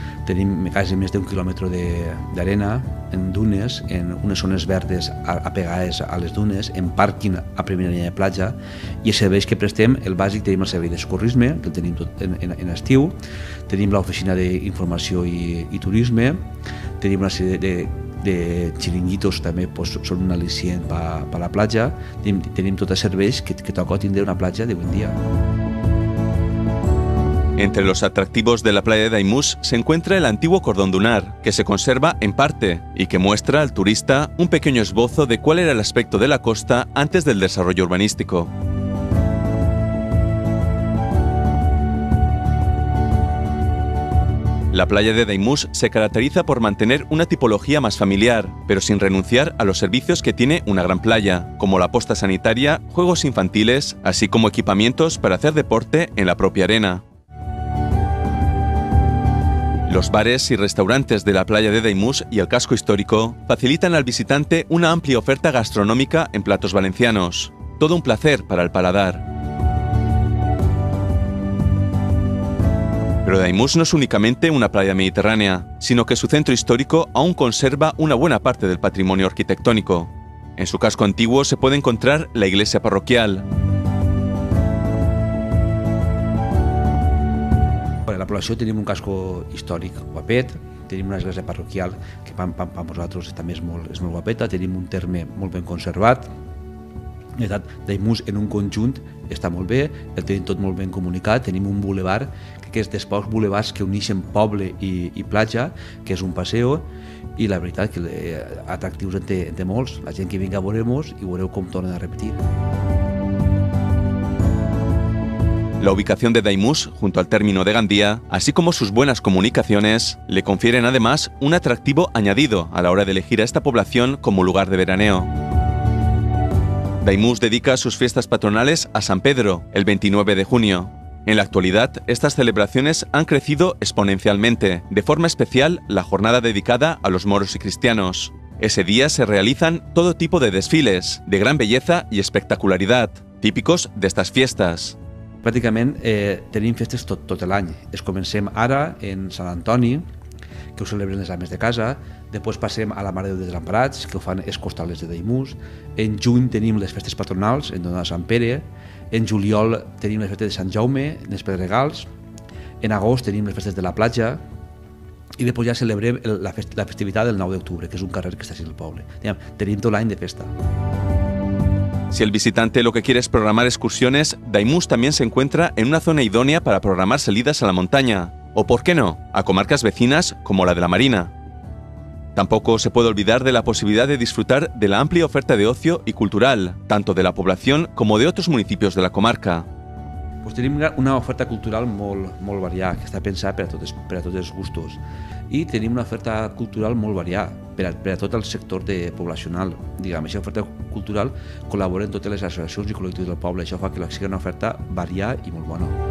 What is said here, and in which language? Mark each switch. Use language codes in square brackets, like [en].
[ca] Tenim quasi més d'un quilòmetre d'arena, en dunes, en unes zones verdes apegades a les dunes, en pàrquing a primera línia de platja, i els serveis que prestem, el bàsic, tenim el servei d'escurrisme, que el tenim tot en estiu, tenim l'oficina d'informació i turisme, tenim una sèrie de xiringuitos, també pues, són un al·licient per a la platja, tenim tot els serveis que toca tindre una platja de bon dia. [es] Entre los atractivos de la playa de Daimús se encuentra el antiguo cordón dunar, que se conserva en parte y que muestra al turista un pequeño esbozo de cuál era el aspecto de la costa antes del desarrollo urbanístico. La playa de Daimús se caracteriza por mantener una tipología más familiar, pero sin renunciar a los servicios que tiene una gran playa, como la posta sanitaria, juegos infantiles, así como equipamientos para hacer deporte en la propia arena. Los bares y restaurantes de la playa de Daimús y el casco histórico facilitan al visitante una amplia oferta gastronómica en platos valencianos. Todo un placer para el paladar. Pero Daimús no es únicamente una playa mediterránea, sino que su centro histórico aún conserva una buena parte del patrimonio arquitectónico. En su casco antiguo se puede encontrar la iglesia parroquial. [ca] La població tenim un casco històric guapet, tenim una església parroquial que per nosaltres també és molt guapeta, tenim un terme molt ben conservat, Daimús en un conjunt està molt bé, el tenim tot molt ben comunicat, tenim un bulevard, que és dels pocs bulevards que uneixen poble i platja, que és un passeo, i la veritat que atractius en té molts, la gent que vinga veurem-nos i veureu com tornen a repetir. [es] La ubicación de Daimús, junto al término de Gandía, así como sus buenas comunicaciones, le confieren además un atractivo añadido a la hora de elegir a esta población como lugar de veraneo. Daimús dedica sus fiestas patronales a San Pedro, el 29 de junio. En la actualidad, estas celebraciones han crecido exponencialmente, de forma especial la jornada dedicada a los moros y cristianos. Ese día se realizan todo tipo de desfiles, de gran belleza y espectacularidad, típicos de estas fiestas. [ca] Pràcticament tenim festes tot l'any. Es comencem ara en Sant Antoni, que ho celebren les ames de casa, després passem a la Mare de Déu dels Desemparats, que ho fan els costalers de Daimús, en juny tenim les festes patronals, en Dona de Sant Pere, en juliol tenim les festes de Sant Jaume, en els Pedregals, en agost tenim les festes de la platja, i després ja celebrem la festivitat del 9 d'octubre, que és un carrer que està així al poble. Tenim tot l'any de festa. [es] Si el visitante lo que quiere es programar excursiones, Daimús también se encuentra en una zona idónea para programar salidas a la montaña, o por qué no, a comarcas vecinas como la de la Marina. Tampoco se puede olvidar de la posibilidad de disfrutar de la amplia oferta de ocio y cultural, tanto de la población como de otros municipios de la comarca. Pues tenemos una oferta cultural muy variada, que está pensada para todos los gustos. [ca] I tenim una oferta cultural molt variada per a tot el sector poblacional. Diguem, aquesta oferta cultural col·labora amb totes les associacions i col·lectius del poble. Això fa que sigui una oferta variada i molt bona.